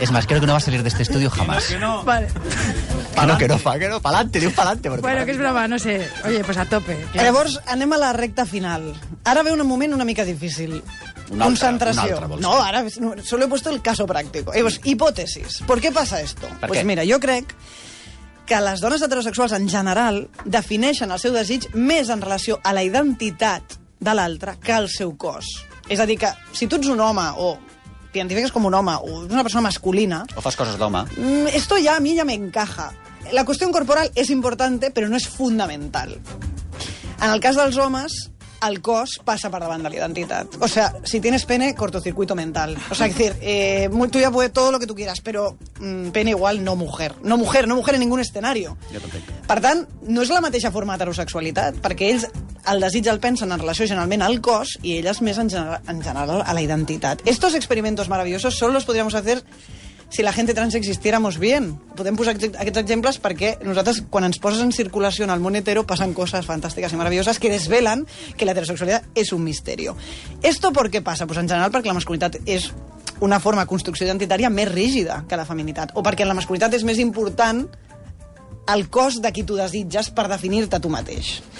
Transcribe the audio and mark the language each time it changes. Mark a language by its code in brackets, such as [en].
[es] Es más, creo que no va a salir de este estudio jamás. Que no. Vale. Que no, pa'lante, [ca] diu [es] pa'lante. Bueno, pa'lante. [ca] Que és brava, [es] no sé. Oye, pues a tope. [ca] Clar. Llavors, anem a la recta final. Ara ve un moment una mica difícil. Una altra, [es] no, [ca] ara [es] solo he puesto el caso práctico. [ca] Llavors, hipòtesis. [es] ¿Por qué pasa esto? Pues mira, [ca] jo crec que les dones heterosexuals en general defineixen el seu desig més en relació a la identitat de l'altre que al seu cos. És a dir, que si tu ets un home o t'identifiques com un home o ets una persona masculina... O fas coses d'home. [es] Esto ya a mí ya me encaja. [ca] La qüestió corporal és important, però no és fonamental. En el cas dels homes... El cos passa per davant de la identitat. [es] O sea, si tienes pene, cortocircuito mental. O sea, es decir, tú ya puedes todo lo que tú quieras, pero pene igual no mujer. No mujer, no mujer en ningún escenario. [ca] Per tant, no és la mateixa forma d'heterosexualitat, perquè ells el desig el pensen en relació generalment al cos i elles més en general a la identitat. [es] Estos experimentos maravillosos solo los podríamos hacer si la gente trans existiéramos bien. [ca] Podem posar aquests exemples perquè nosaltres, quan ens poses en circulació en el món hetero, passen coses fantàstiques i maravilloses que desvelen que la heterosexualitat és un misteri. [es] ¿Esto por qué pasa? Pues [ca] en general perquè la masculinitat és una forma de construcció identitària més rígida que la feminitat. O perquè en la masculinitat és més important el cos de qui tu desitges per definir-te tu mateix.